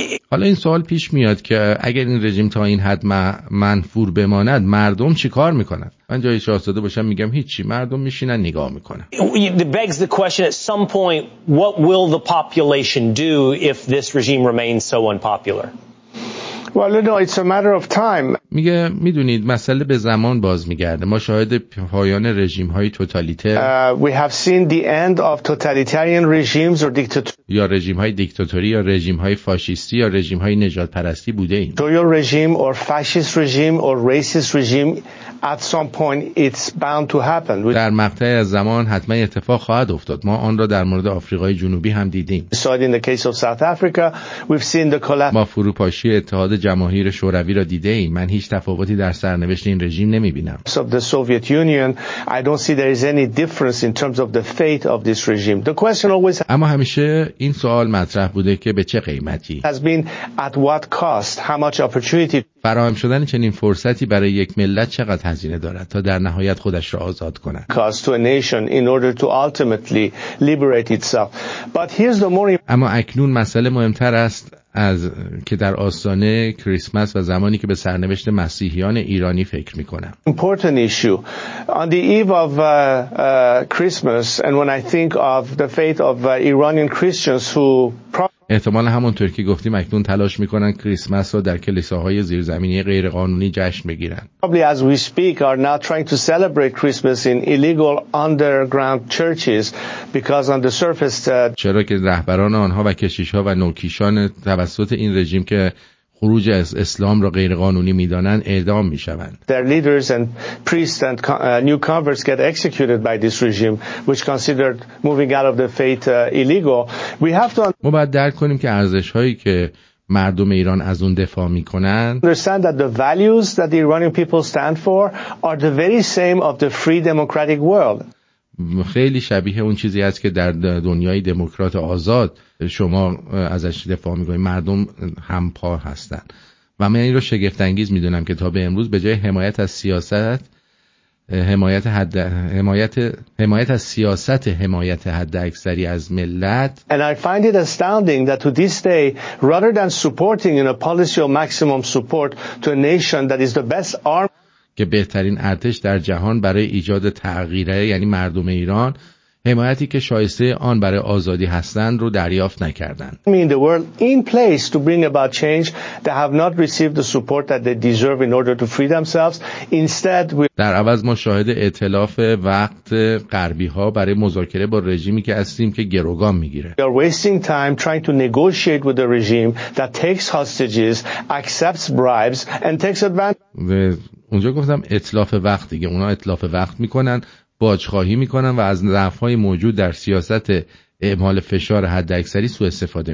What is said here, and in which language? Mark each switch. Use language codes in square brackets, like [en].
[fa] حالا این سوال پیش میاد که اگر این رژیم تا این حد منفور بماند مردم چی کار میکنند؟ من جای شاهزاده باشم میگم هیچی، مردم میشینن نگاه میکنن. [en] It begs the question at some point what will the population do if this regime remains so unpopular? Well, no, it's a matter of time. [fa] میگه میدونید مسئله به زمان باز میگرده. ما شاهد پایان رژیم های توتالیتر [en] we have seen the end of totalitarian regimes or [fa] یا رژیم های دیکتاتوری یا رژیم های فاشیستی یا رژیم های نژاد پرستی بوده ایم. [en] Dictatorial regime or fascist regime or racist regime at some point it's bound to happen. [fa] در مقطعی از زمان حتما اتفاق خواهد افتاد. ما آن را در مورد آفریقای جنوبی هم دیدیم. [en] So in the case of South Africa we've seen the collapse. [fa] ما فروپاشی اتحاد جماهیر شوروی را دیده ایم. من هیچ تفاوتی در سرنوشت این رژیم نمی بینم. [en] So the Soviet Union, I don't see there is any difference in terms of the fate of this regime. The question always. [fa] اما همیشه این سوال مطرح بوده که به چه قیمتی. [en] Has been at what cost? How much opportunity? [fa] فراهم شدن چنین فرصتی برای یک ملت چقدر هزینه دارد تا در نهایت خودش را آزاد کند. [en] Cost to a nation in order to ultimately liberate itself. But here's the more. [fa] اما اکنون مسئله مهمتر است. از که در آستانه کریسمس و زمانی که به سرنوشت مسیحیان ایرانی فکر می‌کنم. [en] Important issue on the eve of Christmas and when I think of the fate of Iranian Christians who [fa] احتمال همونطور که گفتیم اکنون تلاش میکنن کریسمس رو در کلیساهای زیرزمینی غیر قانونی جشن بگیرن. [en] Probably as we speak are now trying to celebrate Christmas in illegal underground churches because on the surface [fa] چرا که رهبران آنها و کشیش‌ها و نوکیشان توسط این رژیم که خروج از اسلام را غیر قانونی میدانن اعدام میشوند. [en] Their leaders and priests and new converts get executed by this regime which considered moving out of the faith illegal. We have to [fa] ما باید درک کنیم که ارزش‌هایی که مردم ایران از اون دفاع میکنن [en] understand that the values that the Iranian people stand for are the very same of the free democratic world. [fa] خیلی شبیه اون چیزی هست که در دنیای دموکرات آزاد شما ازش دفاع میکنید. مردم همپا هستن و من این رو شگفت انگیز میدونم که تا به امروز به جای حمایت از سیاست حمایت حد اکثری از ملت [en] and I find it astounding that to this day rather than supporting in a policy of maximum support to a nation that is the best arm [fa] که بهترین ارتش در جهان برای ایجاد تغییره یعنی مردم ایران حمایتی که شایسته آن برای آزادی هستند رو دریافت نکردند. [en] I mean the world in place to bring about change they have not received the support that they deserve in order to free themselves. Instead we [fa] در عوض ما شاهد ائتلاف وقت غربی ها برای مذاکره با رژیمی که هستیم که گروگان میگیره. [en] We are wasting time trying to negotiate with a regime that takes hostages, accepts bribes and takes advantage. [fa] اونجا گفتم ائتلاف وقت دیگه، اونا ائتلاف وقت میکنن، باج‌خواهی میکنن و از ضعف‌های موجود در سیاست اعمال فشار حداکثری سوء استفاده